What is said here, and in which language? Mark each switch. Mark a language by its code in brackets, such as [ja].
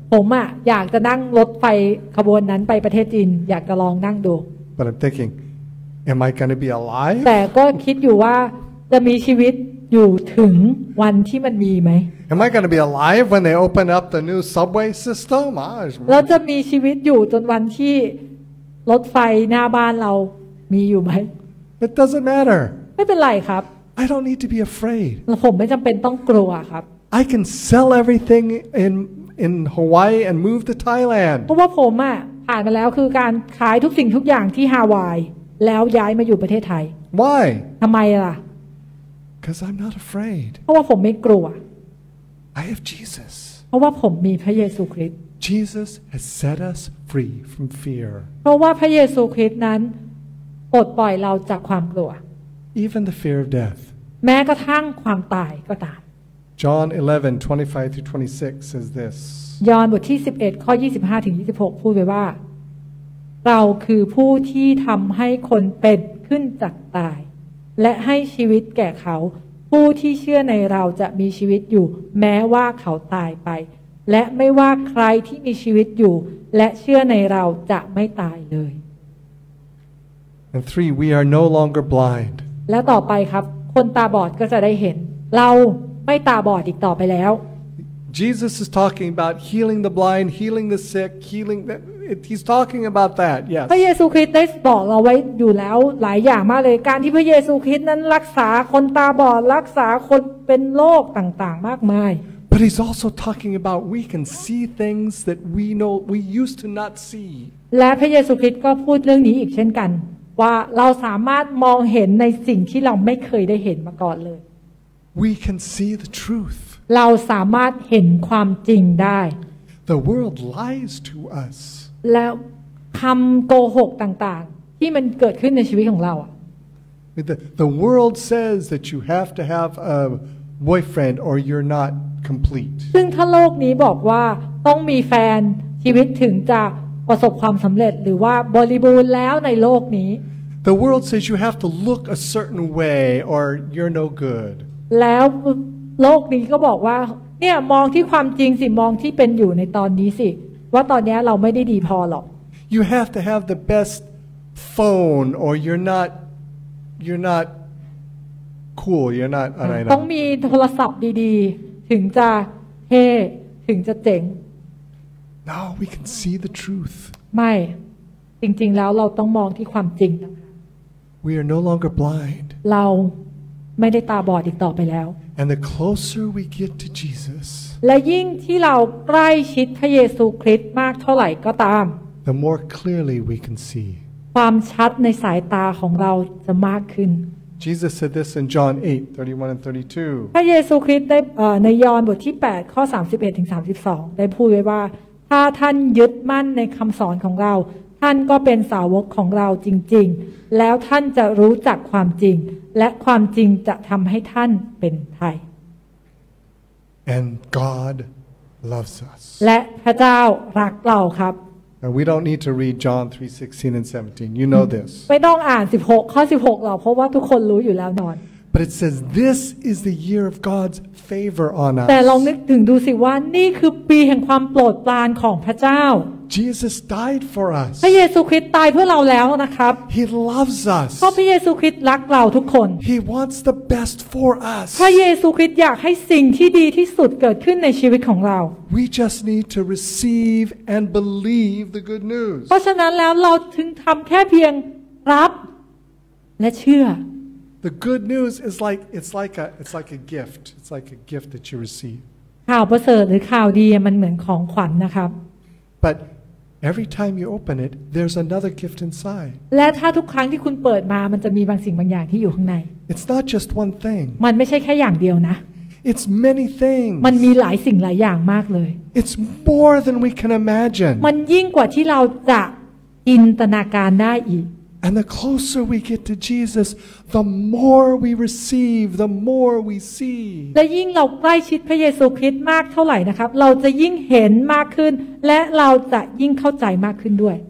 [th] ผมอะอยากจะนั่งรถไฟขบวนนั้นไปประเทศจีนอยากจะลองนั่งดู [en] But I'm thinking. Am I going to be alive? [th] แต่ก็คิดอยู่ว่าจะมีชีวิตอยู่ถึงวันที่มันมีไหม [en] Am I going to be alive when they open up the new subway system? [th] เราจะมีชีวิตอยู่จนวันที่รถไฟหน้าบ้านเรามีอยู่ไหม [en] It doesn't matter. [th] ไม่เป็นไรครับ [en] I don't need to be afraid. [th] ผมไม่จำเป็นต้องกลัวครับ [en] I can sell everything in Hawaii and move to Thailand. [th] เพราะว่าผมอ่ะผ่านมาแล้วคือการขายทุกสิ่งทุกอย่างที่ฮาวายแล้วย้ายมาอยู่ประเทศไทย [en] Why? [th] ทำไมล่ะ [en] Because I'm not afraid [th] เพราะว่าผมไม่กลัว [en] I have Jesus [th] เพราะว่าผมมีพระเยซูคริสต์ [en] Jesus has set us free from fear [th] เพราะว่าพระเยซูคริสต์นั้นปลดปล่อยเราจากความกลัว [en] Even the fear of death [th] แม้กระทั่งความตายก็ตาม [en] John 11:25-26 says this [th] ยอห์นบทที่11ข้อ25ถึง26พูดไว้ว่าเราคือผู้ที่ทำให้คนเป็นขึ้นจากตายและให้ชีวิตแก่เขาผู้ที่เชื่อในเราจะมีชีวิตอยู่แม้ว่าเขาตายไปและไม่ว่าใครที่มีชีวิตอยู่และเชื่อในเราจะไม่ตายเลย [en] And three, we are no longer blind. [th] และต่อไปครับคนตาบอดก็จะได้เห็นเราไม่ตาบอดอีกต่อไปแล้ว [en] Jesus is talking about healing the blind, healing the sick, healing that. He's talking about that. Yes. [th] พระเยซูคริสต์ได้บอกเราไว้อยู่แล้วหลายอย่างมากเลยการที่พระเยซูคริสต์นั้นรักษาคนตาบอดรักษาคนเป็นโรคต่างๆมากมาย [en] But he's also talking about we can see things that we know we used to not see. [th] และพระเยซูคริสต์ก็พูดเรื่องนี้อีกเช่นกันว่าเราสามารถมองเห็นในสิ่งที่เราไม่เคยได้เห็นมาก่อนเลย [en] We can see the truth. [th] เราสามารถเห็นความจริงได้ [en] The world lies to us [th] แล้วคำโกหกต่างๆที่มันเกิดขึ้นในชีวิตของเราอะ [en] The world says that you have to have a boyfriend or you're not complete [th] ซึ่งถ้าโลกนี้บอกว่าต้องมีแฟนชีวิตถึงจะประสบความสำเร็จหรือว่าบริบูรณ์แล้วในโลกนี้ [en] The world says you have to look a certain way or you're no good [th] แล้วโลกนี้ก็บอกว่าเนี่ยมองที่ความจริงสิมองที่เป็นอยู่ในตอนนี้สิว่าตอนนี้เราไม่ได้ดีพอหรอก [en] You have to have the best phone or you're not cool you're not [th] อะไรนะ ต้องมีโทรศัพท์ดีๆถึงจะเท่ถึงจะเจ๋ง [en] No we can see the truth [th] ไม่จริงๆแล้วเราต้องมองที่ความจริง [en] We are no longer blind [th] เราไม่ได้ตาบอดอีกต่อไปแล้ว [en] And the closer we get to Jesus, [th] และยิ่งที่เราใกล้ชิดพระเยซูคริสต์มากเท่าไหร่ก็ตาม [en] the more clearly we can see. [th] ความชัดในสายตาของเราจะมากขึ้น [en] Jesus said this in John 8:31-32. [th] พระเยซูคริสต์ได้ในยอห์นบทที่8ข้อ31ถึง32ได้พูดไว้ว่าถ้าท่านยึดมั่นในคำสอนของเราท่านก็เป็นสาวกของเราจริงๆแล้วท่านจะรู้จักความจริงและความจริงจะทำให้ท่านเป็นไทย [en] And God loves us [th] และพระเจ้ารักเราครับ [en] And we don't need to read John 3:16 and 17 you know this [th] ไม่ต้องอ่าน16ข้อ16หรอกเพราะว่าทุกคนรู้อยู่แล้วนอน [en] But it says this is the year of God's favor on us. [th] แต่ลองนึกถึงดูสิว่านี่คือปีแห่งความโปรดปรานของพระเจ้า [en] Jesus died for us. [th] พระเยซูคริสต์ตายเพื่อเราแล้วนะครับ [en] He loves us. [th] เพราะพระเยซูคริสต์รักเราทุกคน [en] He wants the best for us. [th] พระเยซูคริสต์อยากให้สิ่งที่ดีที่สุดเกิดขึ้นในชีวิตของเรา [en] We just need to receive and believe the good news. [th] เพราะฉะนั้นแล้วเราถึงทำแค่เพียงรับและเชื่อ [en] The good news is like it's like a gift. It's like a gift that you receive. [th] ข่าวประเสริฐหรือข่าวดีมันเหมือนของขวัญนะครับ [en] But every time you open it, there's another gift inside. [th] และถ้าทุกครั้งที่คุณเปิดมามันจะมีบางสิ่งบางอย่างที่อยู่ข้างใน [en] It's not just one thing. [th] มันไม่ใช่แค่อย่างเดียวนะ [en] It's many things. [th] มันมีหลายสิ่งหลายอย่างมากเลย [en] It's more than we can imagine. [th] มันยิ่งกว่าที่เราจะจินตนาการได้อีก [en] And the closer we get to Jesus, the more we receive, the more we see. [th] และยิ่งเราใกล้ชิดพระเยซูคริสต์มากเท่าไหร่นะครับเราจะยิ่งเห็นมากขึ้นและเราจะยิ่งเข้าใจมากขึ้นด้วย